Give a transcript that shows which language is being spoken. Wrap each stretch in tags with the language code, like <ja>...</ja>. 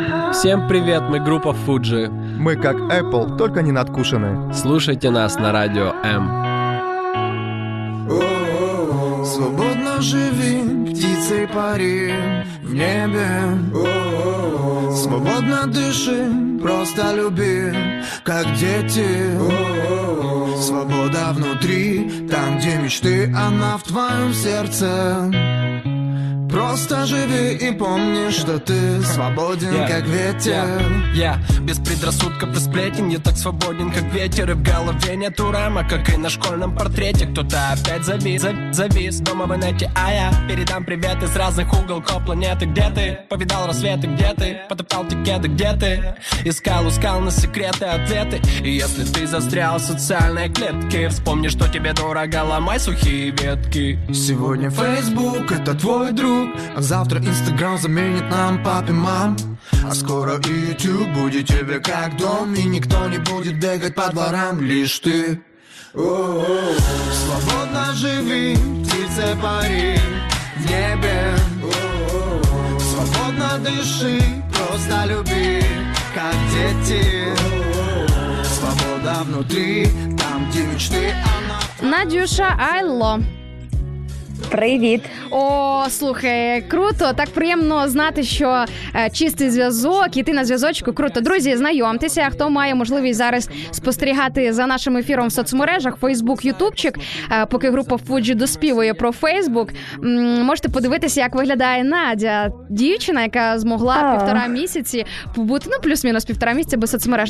<uk>Всім привіт, ми група Fuji. Ми як Apple, тільки не надкушені. Слухайте нас на радіо М.</uk> <ru>Свободно живі птиці парі в небі. Свободно дыши, просто люби, как дети. Свобода внутри, там, где мечты, она в твоем сердце. Просто живи и помни, что ты свободен, yeah, как ветер. Я yeah, без предрассудков и сплетен, я так свободен, как ветер. И в голове нету рама, как и на школьном портрете. Кто-то опять завис дома в инете, а я передам привет из разных уголков планеты. Где ты? Повидал рассветы, где ты? Потоптал тикеты, где ты? Искал на секреты ответы. И если ты застрял в социальной клетке, вспомни, что тебе дорого, ломай сухие ветки. Сегодня Facebook — это твой друг. А завтра Инстаграм заменит нам папе мам. А скоро Ютуб будет тебе как дом. И никто не будет бегать по дворам, лишь ты. Свободно живи, птице пари в небе. Свободно дыши, просто люби, как дети. Свобода внутри, там, где мечты, она...</ru> <uk>Надюша, айло! Привіт. О, слухай, круто, так приємно знати, що чистий зв'язок, і ти на зв'язочку, круто. Друзі, знайомтеся, хто має можливість зараз спостерігати за нашим ефіром в соцмережах, Facebook, Ютубчик, поки група Fuji доспівує про Facebook, можете подивитися, як виглядає Надя, дівчина, яка змогла півтора місяці побути, ну, плюс-мінус півтора місяці без соцмереж.</uk>